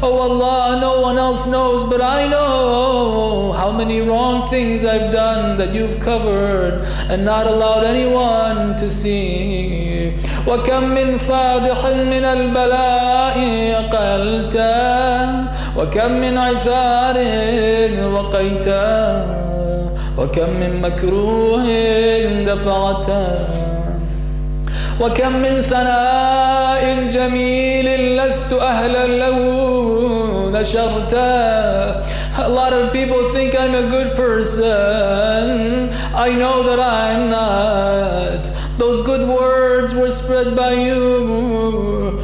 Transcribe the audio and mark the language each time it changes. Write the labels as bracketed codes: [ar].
[en] Oh Allah, no one else knows, but I know how many wrong things I've done that you've covered and not allowed anyone to see. [ar] وكم من فادح من البلاء أقلته وكم من عثار وقيته وكم من مكروه دفعته وكم من ثناء جميل لست أهلا له نشرته. [en] A lot of people think I'm a good person. I know that I'm not. Those good words were spread by you.